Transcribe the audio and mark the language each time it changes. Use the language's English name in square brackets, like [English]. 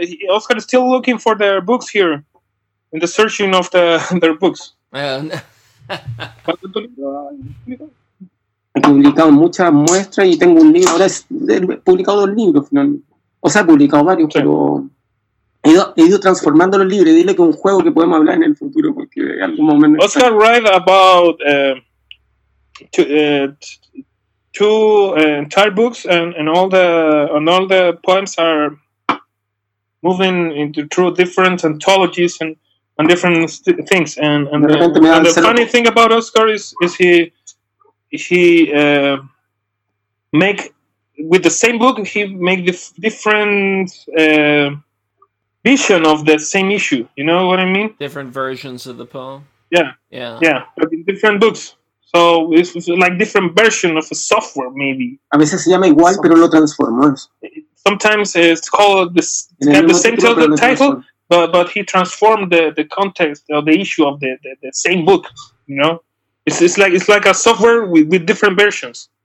[English] Oscar is still looking for their books here, in the searching of their books. [Spanish] He publicado muchas muestras y tengo un libro. Ahora he publicado dos libros, finalmente. O sea, he publicado varios, sí. Pero he ido transformando los libros. Dile que es un juego que podemos hablar en el futuro, porque en algún momento. Oscar está... [English] write about two entire books and all the poems are moving into through different anthologies and different things and the funny thing about Oscar is he makes with the same book he make different vision of the same issue, you know what I mean, different versions of the poem. Yeah but in different books. So it's like different version of a software, maybe. [Spanish] A veces se llama igual, pero lo transformó. [English] Sometimes it's called the same title, but he transformed the context or the issue of the same book. You know, it's like a software with different versions.